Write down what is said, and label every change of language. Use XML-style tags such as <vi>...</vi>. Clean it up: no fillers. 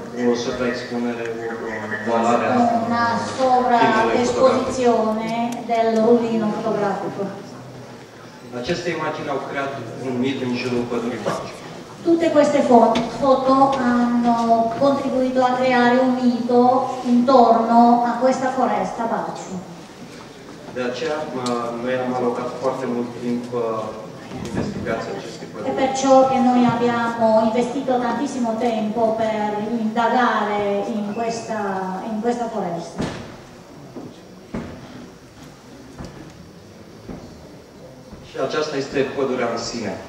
<it>Una sovraesposizione del rullino fotografico.</it> <ro>Aceste immagini au creat un mit în jurul pădurii Baciu.</ro> <it>Tutte queste foto hanno contribuito a creare un mito intorno a questa foresta pace.</it> <ro>De aceea noi am alocat foarte mult timp investigația acestei păduri.</ro> <it>E perciò che noi abbiamo investito tantissimo tempo per indagare in questa foresta.</it> <ro>Și aceasta este pădurea în sine.</ro>